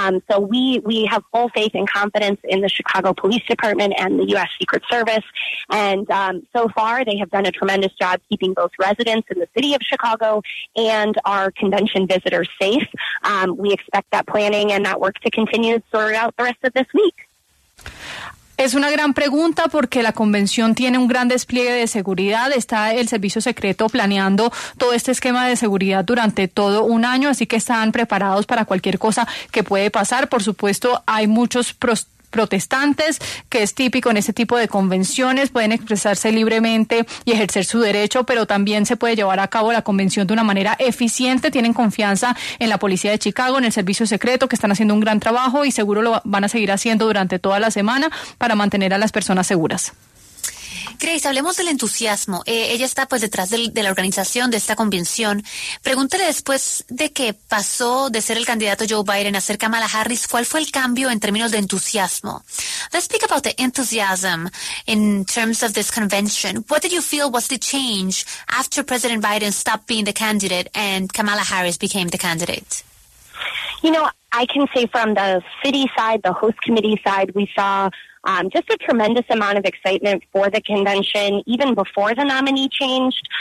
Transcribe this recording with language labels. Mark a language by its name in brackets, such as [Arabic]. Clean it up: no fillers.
[English] So we have full faith and confidence in the Chicago Police Department and the U.S. Secret Service. And so far, they have done a tremendous job keeping both residents in the city of Chicago and our convention visitors safe. We expect that planning and that work to continue throughout the rest of this week. [Spanish] Es una gran pregunta porque la convención tiene un gran despliegue de seguridad. Está el servicio secreto planeando todo este esquema de seguridad durante todo un año, así que están preparados para cualquier cosa que puede pasar. Por supuesto, hay muchos protestantes, que es típico en este tipo de convenciones, pueden expresarse libremente y ejercer su derecho, pero también se puede llevar a cabo la convención de una manera eficiente. Tienen confianza en la policía de Chicago, en el servicio secreto, que están haciendo un gran trabajo y seguro lo van a seguir haciendo durante toda la semana para mantener a las personas seguras. Grace, hablemos del entusiasmo. Ella está pues detrás de la organización de esta convención. Pregúntale, después de que pasó de ser el candidato Joe Biden a ser Kamala Harris, ¿cuál fue el cambio en términos de entusiasmo? [English] Let's speak about the enthusiasm in terms of this convention. What did you feel was the change after President Biden stopped being the candidate and Kamala Harris became the candidate? You know, I can say from the city side, the host committee side, we saw just a tremendous amount of excitement for the convention, even before the nominee changed.